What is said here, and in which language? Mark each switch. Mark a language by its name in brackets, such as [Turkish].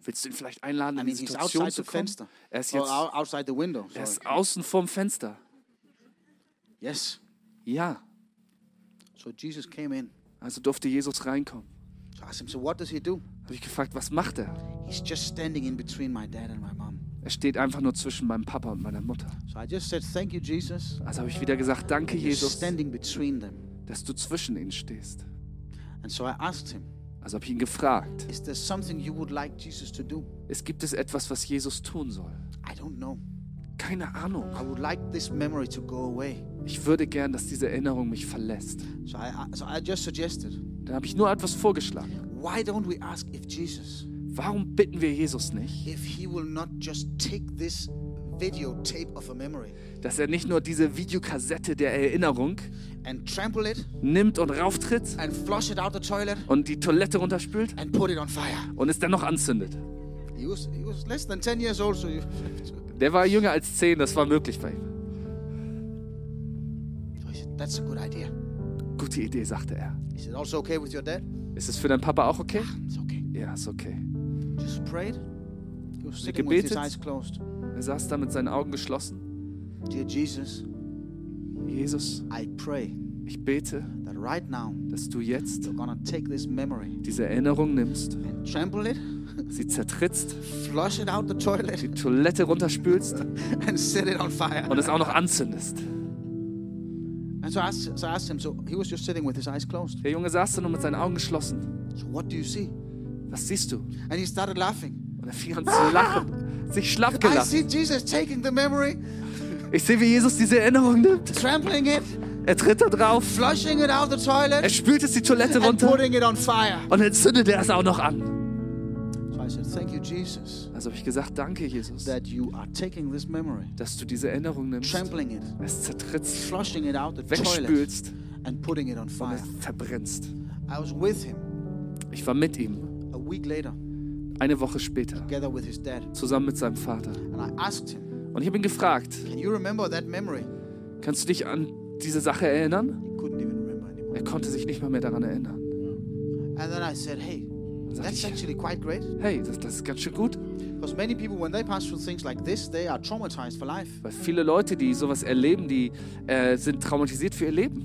[German] Willst du ihn vielleicht einladen, in die Situation zu kommen? [English] I mean, he's outside the [German] fenster. Er ist jetzt, [English] or outside the window. Sorry. [German] Er ist außen vorm Fenster. [English] Yes. [German] Ja. [English] So Jesus came in. [German] Also durfte Jesus reinkommen. [English] So I asked him, so what does he do? [German] Habe ich gefragt, was macht er? [English] He's just standing in between my dad and my mom. [German] Er steht einfach nur zwischen meinem Papa und meiner Mutter. [English] So I just said, thank you, Jesus. [German] Also habe ich wieder gesagt, danke, Jesus. [English] Standing between them. [German] Dass du zwischen ihnen stehst. [English] And so I asked him. [German] Also habe ich ihn gefragt. [English] Is there something you would like Jesus to do? [German] Es gibt es etwas, was Jesus tun soll? [English] I don't know. [German] Keine Ahnung. [English] I would like this memory to go away. [German] Ich würde gern, dass diese Erinnerung mich verlässt. [English] So I just suggested. [German] Dann habe ich nur etwas vorgeschlagen. [English] Why don't we ask if Jesus? [German] Warum bitten wir Jesus nicht? [English] If he will not just take this videotape of a memory. [German] Dass er nicht nur diese Videokassette der Erinnerung [English] and trample it, [German] nimmt und rauftritt [English] and flush it out the toilet, [German] und die Toilette runterspült [English] and put it on fire. [German] Und es dann noch anzündet. [English] He was less than 10 years old, so you have to. [German] Der war jünger als 10, das war möglich bei ihm. [English] That's a good idea. [German] Gute Idee, sagte er. [English] Is it also okay with your dad? [German] Ist es für deinen Papa auch okay? [English] Ja, it's okay. [German] Ja, ist okay. [English] Just prayed. He was sitting with his eyes closed. [German] Er saß da mit seinen Augen geschlossen. [English] Dear Jesus, [German] Jesus, [English] I pray, [German] ich bete, [English] that right now, [German] dass du jetzt [English] you're gonna take this memory, [German] diese Erinnerung nimmst [English] and trample it, [German] sie zertrittst, [English] flush it out the toilet, [German] die Toilette runterspülst [English] and set it on fire, [German] und es auch noch anzündest. [English] And so I asked him, so he was just sitting with his eyes closed. [German] Der Junge saß da nur mit seinen Augen geschlossen. [English] So what do you see? [German] Was siehst du? [English] And he started laughing. [German] Und er fing an zu lachen, sich schlapp gelacht. [English] I see Jesus taking the memory. [German] Ich sehe, wie Jesus diese Erinnerung nimmt. [English] Trampling it. [German] Er tritt da drauf. [English] Flushing it out the toilet. [German] Er spült es die Toilette runter. [English] And putting it on fire. [German] Und dann zündet er es auch noch an. [English] So I said, thank you, Jesus. [German] Also habe ich gesagt, danke, Jesus, [English] that you are taking this memory, [German] dass du diese Erinnerung nimmst, [English] trampling it, [German] es zertrittst, [English] flushing it out the [German] wegspülst [English] toilet, and putting it on fire, [German] und es verbrennst. [English] I was with him, [German] ich war mit ihm, [English] a week later, [German] eine Woche später, [English] together with his dad, [German] zusammen mit seinem Vater. [English] And I asked him, [German] und ich habe ihn gefragt, [English] can you remember that memory? [German] Kannst du dich an diese Sache erinnern? [English] He couldn't even remember anymore. [German] Er konnte sich nicht mal mehr daran erinnern. [English] And then I said, hey, that's actually quite great. [German] Hey, das ist ganz schön gut. [English] Because many people, when they pass through things like this, they are traumatized for life. [German] Weil viele Leute, die sowas erleben, die sind traumatisiert für ihr Leben.